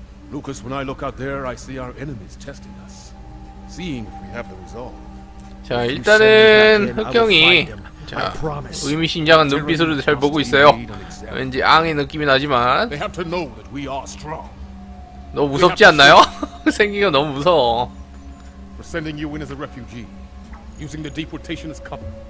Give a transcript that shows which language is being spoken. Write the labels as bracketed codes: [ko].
[en] 루카스, when I look out there, I see our enemies testing us. Seeing if we have the resolve. [ko] 자, 일단은 흑형이 자, 의미심장한 눈빛으로 잘 보고 있어요. 왠지 앙의 느낌이 나지만 너무 무섭지 않나요? 생긴 거 너무 무서워. [en] Sending you in as a refugee using the deportation as cover.